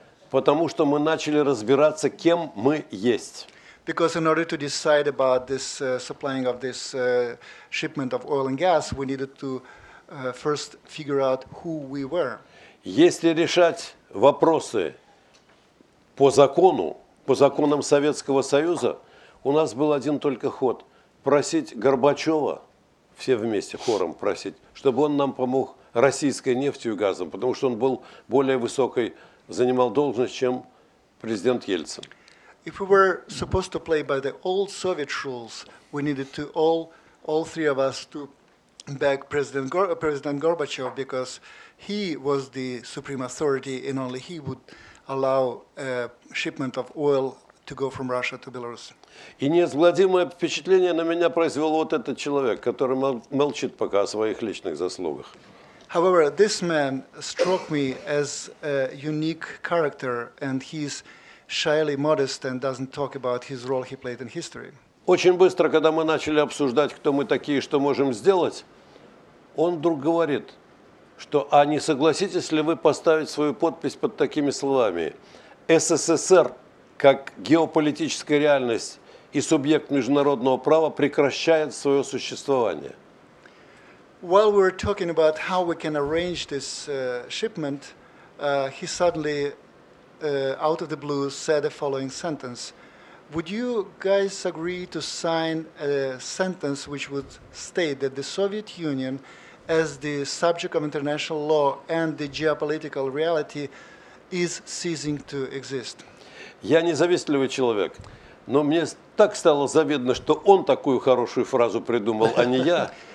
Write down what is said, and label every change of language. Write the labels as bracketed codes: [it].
[ru] Потому что мы начали разбираться, кем мы есть. [en] Because in order to decide about this supplying of this shipment of oil and gas, we needed to first figure out who we were. [ru] Если решать вопросы по закону, по законам Советского Союза, у нас был один только ход – просить Горбачева, все вместе, хором просить, чтобы он нам помог российской нефтью и газом, потому что он был более высокой, занимал должность, чем президент Ельцин. [en] If we were supposed to play by the old Soviet rules, we needed to all all three of us to back President Gorbachev because he was the supreme authority and only he would allow a shipment of oil to go from Russia to Belarus. [ru] И неизгладимое впечатление на меня произвел вот этот человек, который молчит пока о своих личных заслугах. [en] However, this man struck me as a unique character, and he's shyly modest and doesn't talk about his role he played in history. [ru] Очень быстро, когда мы начали обсуждать, кто мы такие, что можем сделать, он вдруг говорит, что, а не согласитесь ли вы поставить свою подпись под такими словами? СССР как геополитическая реальность и субъект международного права прекращает свое существование. [en] While we were talking about how we can arrange this shipment, he suddenly, out of the blue, said the following sentence. Would you guys agree to sign a sentence which would state that the Soviet Union, as the subject of international law and the geopolitical reality, is ceasing to exist? [ru] Я независтливый человек, но мне так стало завидно, что он такую хорошую фразу придумал, а не я.